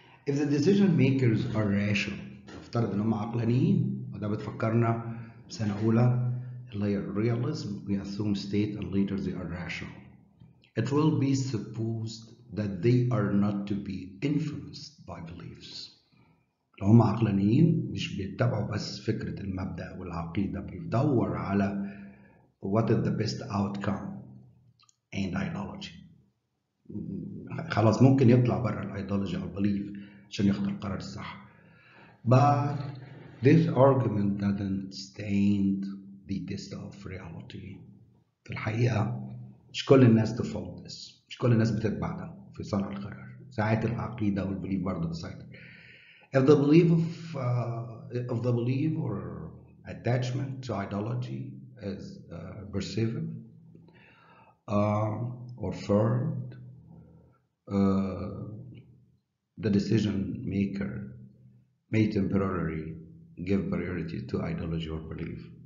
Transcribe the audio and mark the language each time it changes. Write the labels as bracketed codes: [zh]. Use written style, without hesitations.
[en] If the decision makers are rational, [ar] افترض ان هم عقلانيين, وده بتفكرنا سنة أولى اللي هي [en] realism, we assume state and later they are rational. It will be supposed that they are not to be influenced by beliefs. [ar] لو هم عقلانيين مش بيتبعوا بس فكرة المبدأ والعقيدة, بيدور على [en] what is the best outcome and ideology. [ar] خلاص ممكن يطلع برا الايديولوجي أو البليف عشان ياخد القرار الصح. [en] But this argument doesn't stand the test of reality. [ar] في الحقيقة مش كل الناس [en] to follow this. [ar] مش كل الناس بتتبع ده في صنع القرار. ساعات العقيدة والبليف برضه بتسيطر. [en] have the belief of the belief or attachment to ideology as pervasive or firm, the decision maker may temporarily give priority to ideology or belief.